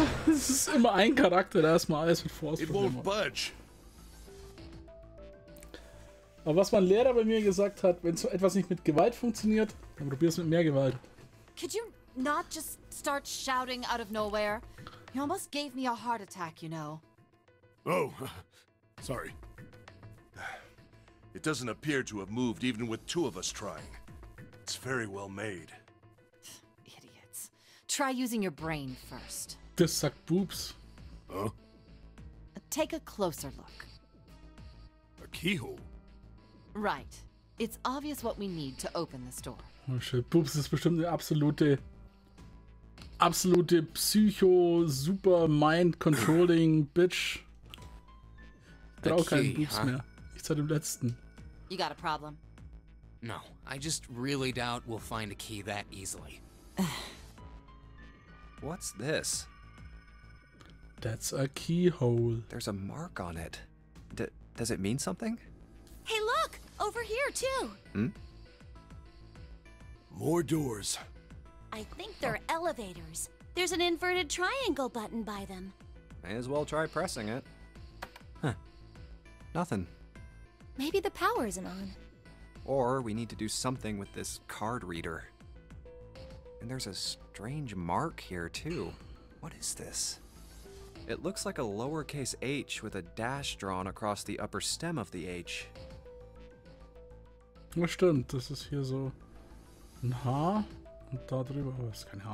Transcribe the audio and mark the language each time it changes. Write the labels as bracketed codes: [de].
[de] Es ist immer ein Charakter, der erstmal alles mit Force [en] It won't budge. [de] Aber was mein Lehrer bei mir gesagt hat, wenn so etwas nicht mit Gewalt funktioniert, dann probier es mit mehr Gewalt. [en] Could you not just start shouting out of nowhere? You almost gave me a heart attack, you know. Oh, sorry. It doesn't appear to have moved, even with 2 of us trying. It's very well made. Idiots. Try using your brain first. [de] Das sagt Boops. [en] Huh? Take a closer look. A keyhole? Right. It's obvious what we need to open this door. [de] Oh shit, Boops ist bestimmt eine absolute Psycho-Super-Mind-Controlling-Bitch. brauche keinen Boost mehr. Ich zahle dem letzten. [en] You got a problem? No, I just really doubt we'll find a key that easily. What's this? That's a keyhole. There's a mark on it. Does it mean something? Hey, look! Over here, too! Hmm? More doors. I think they're elevators. There's an inverted triangle button by them. May as well try pressing it. Huh. Nothing. Maybe the power isn't on. Or we need to do something with this card reader. And there's a strange mark here, too. What is this? It looks like a lowercase h with a dash drawn across the upper stem of the h. [de] Na stimmt, das ist hier so ein H und da drüber ist kein H.